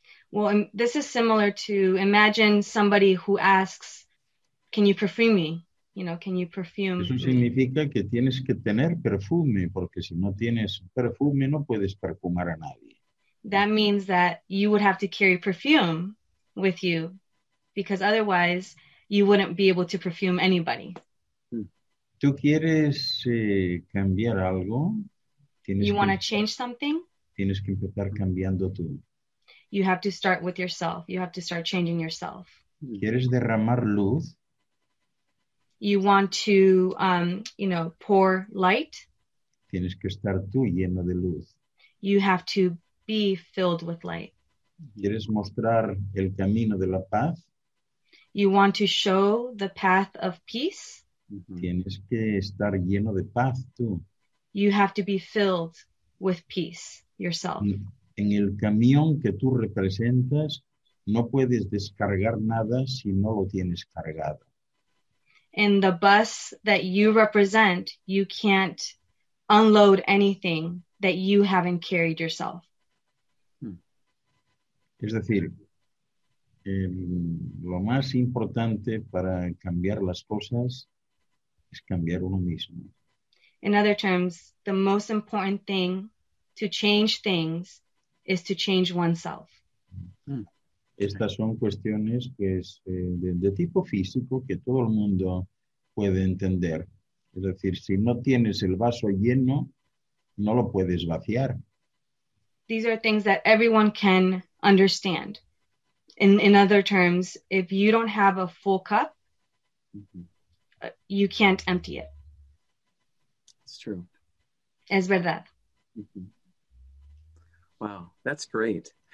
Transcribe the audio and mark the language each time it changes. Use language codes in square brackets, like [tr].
[en] Well, this is similar to imagine somebody who asks, can you perfume me? You know, can you perfume? [es] Eso significa que tienes que tener perfume, porque si no tienes perfume, no puedes perfumar a nadie. [en] That means that you would have to carry perfume with you, because otherwise you wouldn't be able to perfume anybody. [es] ¿Tú quieres cambiar algo? [en] You want to change something? [es] Tienes que empezar cambiando tú. [en] You have to start with yourself. You have to start changing yourself. [es] ¿Quieres derramar luz? [en] You want to, pour light. [es] Tienes que estar tú lleno de luz. [en] You have to be filled with light. [es] ¿Quieres mostrar el camino de la paz? [en] You want to show the path of peace. [es] Tienes que estar lleno de paz tú. [en] You have to be filled with peace yourself. [es] En el camión que tú representas, no puedes descargar nada si no lo tienes cargado. [en] In the bus that you represent, you can't unload anything that you haven't carried yourself. [es] Es decir, lo más importante para cambiar las cosas es cambiar uno mismo. [en] In other terms, the most important thing to change things is to change oneself. [es] Estas son cuestiones que es de tipo físico que todo el mundo puede entender. Es decir, si no tienes el vaso lleno, no lo puedes vaciar. [en] These are things that everyone can understand. In other terms, if you don't have a full cup, you can't empty it. It's true. [es] Es verdad. [en] Wow, that's great.